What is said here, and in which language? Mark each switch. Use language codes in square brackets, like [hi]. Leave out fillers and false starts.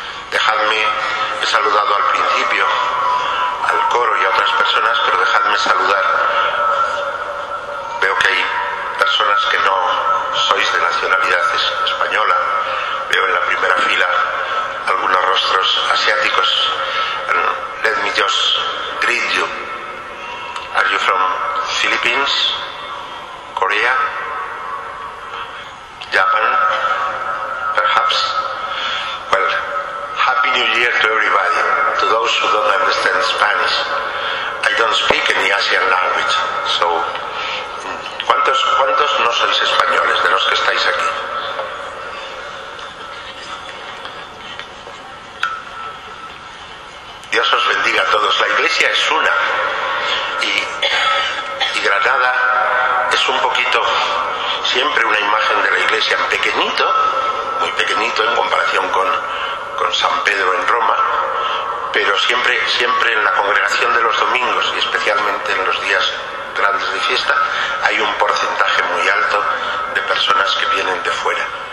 [es] Dejadme, he saludado al principio al coro y a otras personas, pero dejadme saludar. Veo que hay personas que no sois de nacionalidad española. Veo en la primera fila algunos rostros asiáticos. [en] Let me just greet you. Are you from Philippines, Korea, Japan, perhaps? Well, Happy New Year to everybody, to those who don't understand Spanish. I don't speak any Asian language, so... [es] ¿Cuántos no sois españoles de los que estáis aquí? Dios os bendiga a todos. La Iglesia es una. Y Granada es un poquito siempre una imagen de la Iglesia, en pequeñito, muy pequeñito en comparación con San Pedro en Roma, pero siempre en la congregación de los domingos y especialmente en los días grandes de fiesta hay un porcentaje muy alto de personas que vienen de fuera.